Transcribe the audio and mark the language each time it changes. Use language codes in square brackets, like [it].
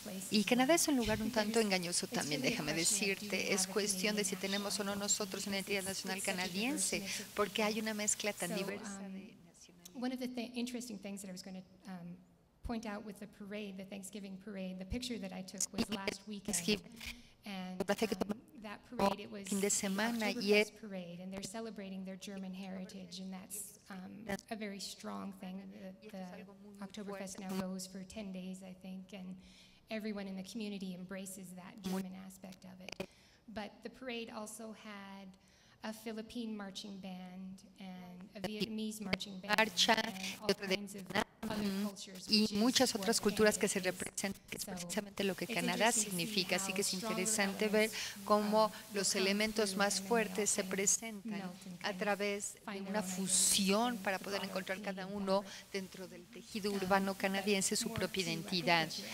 [es] Y Canadá es un lugar un tanto engañoso también, déjame decirte. Es cuestión de si tenemos o no nosotros una identidad nacional canadiense, porque hay una mezcla tan diversa. [en] One of the interesting things that I was going to point out with the parade, the Thanksgiving parade, the picture that I took was last weekend. And that parade, it was the Oktoberfest parade, and they're celebrating their German heritage, and that's a very strong thing. The Oktoberfest now goes for 10 days, I think, and everyone in the community embraces that German aspect of it. But the parade also had a Philippine marching band and a Vietnamese marching band and all kinds of [es] y muchas otras culturas que se representan, que es precisamente lo que Canadá significa. Así que es interesante ver cómo los elementos más fuertes se presentan a través de una fusión para poder encontrar cada uno dentro del tejido urbano canadiense su propia identidad.